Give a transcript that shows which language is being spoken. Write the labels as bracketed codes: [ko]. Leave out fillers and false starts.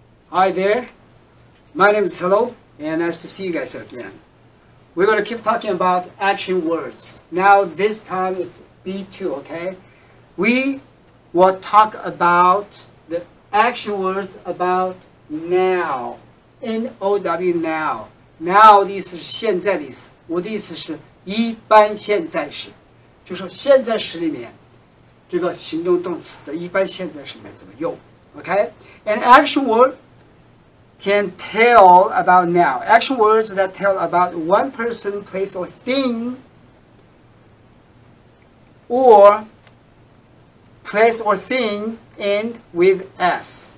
[en] Hi there, my name is Hello, and nice to see you guys again. We're going to keep talking about action words. Now this time it's B2, okay? We will talk about the action words about now, N-O-W, now. [zh] Now 的意思是现在的意思，我的意思是一般现在时，就是现在时里面这个形容动词在一般现在时里面怎么用， okay? [en] An action wordcan tell about now. Action words that tell about one person, place, or thing, or place or thing end with S.